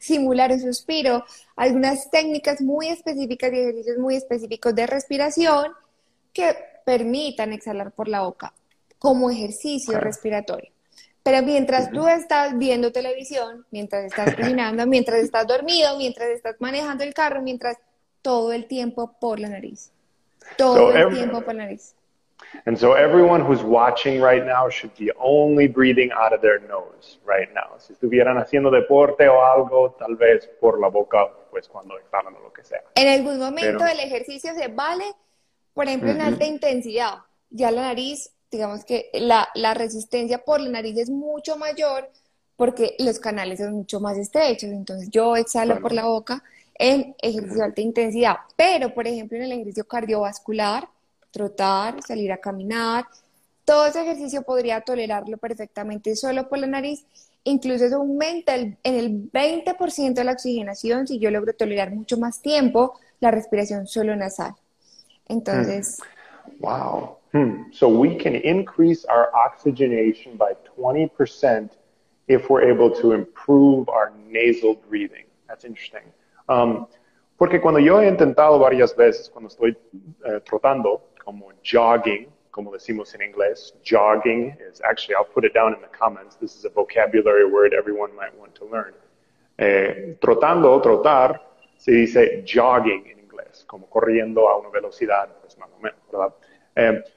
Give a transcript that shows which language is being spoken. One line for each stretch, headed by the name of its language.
Spanish: Simular un suspiro. Algunas técnicas muy específicas y ejercicios muy específicos de respiración que permitan exhalar por la boca como ejercicio okay. respiratorio. Pero mientras uh-huh. tú estás viendo televisión, mientras estás caminando, mientras estás dormido, mientras estás manejando el carro, mientras todo el tiempo por la nariz. Todo el tiempo por la nariz.
English: And so everyone who's watching right now should be only breathing out of their nose right now.
Spanish: Si estuvieran haciendo deporte o algo, tal vez por la boca, pues cuando exhalan o lo que sea. En algún momento el ejercicio se vale, por ejemplo, uh-huh. en alta intensidad. Ya la nariz, digamos que la resistencia por la nariz es mucho mayor porque los canales son mucho más estrechos, entonces yo exhalo bueno. por la boca en ejercicio de alta intensidad, pero por ejemplo en el ejercicio cardiovascular, trotar, salir a caminar, todo ese ejercicio podría tolerarlo perfectamente solo por la nariz, incluso eso aumenta en el 20% de la oxigenación si yo logro tolerar mucho más tiempo la respiración solo nasal. Entonces...
English: Wow. So we can increase our oxygenation by 20% if we're able to improve our nasal breathing. That's interesting.
Spanish: Porque cuando yo he intentado varias veces, cuando estoy trotando, como jogging, como decimos en inglés,
English: jogging is actually, I'll put it down in the comments. This is a vocabulary word everyone might want to learn.
Spanish: Trotando, trotar, se dice jogging in inglés, como corriendo a una velocidad, pues más o menos, ¿verdad?